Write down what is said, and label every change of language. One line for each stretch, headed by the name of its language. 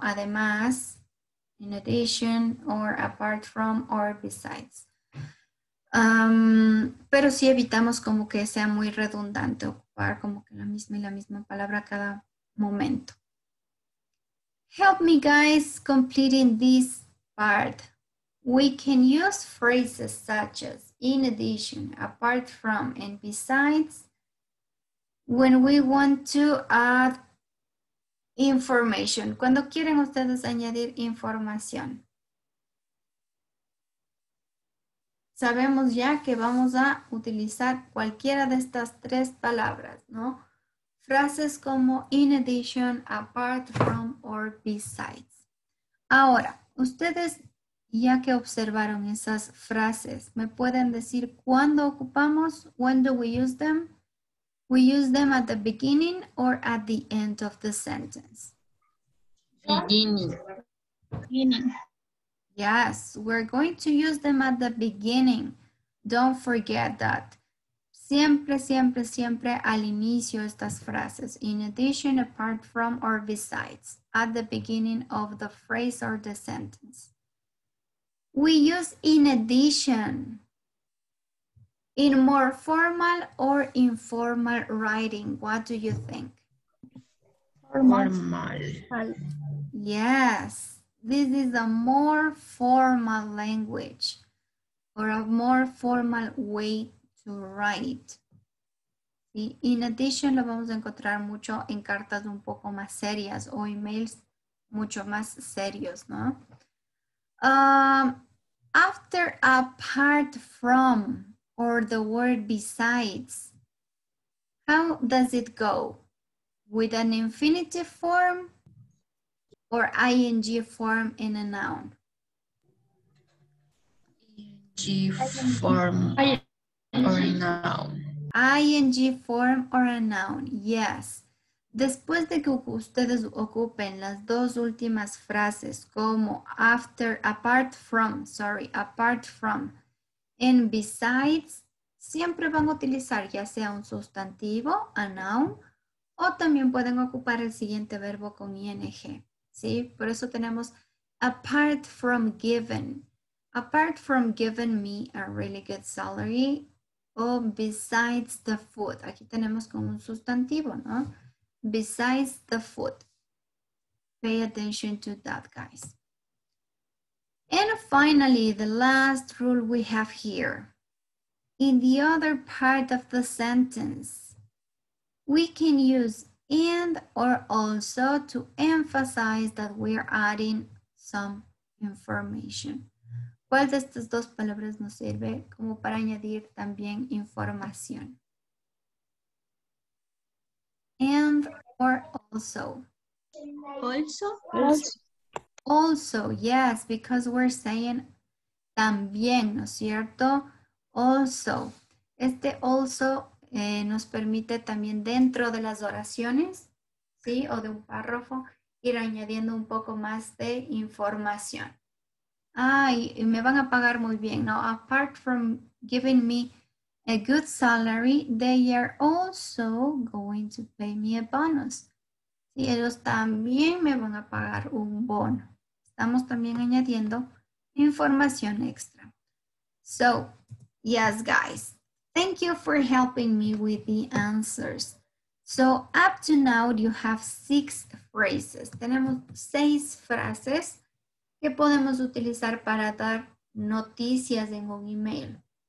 Spanish: Además,
English: in addition, or apart from, or besides.
Spanish: Pero sí evitamos como que sea muy redundante ocupar como que la misma y la misma palabra cada momento.
English: Help me, guys, completing this part. We can use phrases such as in addition, apart from, and besides when we want to add information.
Spanish: Cuando quieren ustedes añadir información. Sabemos ya que vamos a utilizar cualquiera de estas tres palabras, ¿no? Frases como
English: in addition, apart from, or besides.
Spanish: Ahora, ustedes, ya que observaron esas frases, ¿me pueden decir cuándo ocupamos?
English: When do we use them? We use them at the beginning or at the end of the sentence? Beginning. Yes, we're going to use them at the beginning. Don't forget that.
Spanish: Siempre al inicio estas frases.
English: In addition, apart from, or besides. At the beginning of the phrase or the sentence. We use in addition in more formal or informal writing. What do you think? Formal. Yes, this is a more formal language or a more formal way to write.
Spanish: In addition, lo vamos a encontrar mucho en cartas un poco más serias o emails mucho más serios, ¿no?
English: after apart from or the word besides, how does it go? With an infinitive form or ing form in a noun? ING form or a noun. ING form or a noun, yes.
Spanish: Después de que ustedes ocupen las dos últimas frases como after, apart from,
English: sorry,
Spanish: apart from, and besides, siempre van a utilizar ya sea un sustantivo, a noun, o también pueden ocupar el siguiente verbo con ing, ¿sí? Por eso tenemos apart from given.
English: Apart from giving me a really good salary, o besides the food.
Spanish: Aquí tenemos como un sustantivo, ¿no?
English: Besides the food. Pay attention to that, guys. And finally, the last rule we have here. In the other part of the sentence, we can use and or also to emphasize that we are adding some information.
Spanish: ¿Cuál de estas dos palabras nos sirve como para añadir también información?
English: And or also. Also? Also, yes, because we're saying
Spanish: también, ¿no es cierto?
English: Also.
Spanish: Este also nos permite también dentro de las oraciones, ¿sí? O de un párrafo, ir añadiendo un poco más de información. Ay, me van a pagar muy bien.
English: Now, apart from giving me a good salary, they are also going to pay me a bonus.
Spanish: Sí, ellos también me van a pagar un bono. Estamos también añadiendo información extra.
English: So, yes, guys. Thank you for helping me with the answers. So, up to now, you have 6 phrases.
Spanish: Tenemos 6 frases que podemos utilizar para dar noticias en un email.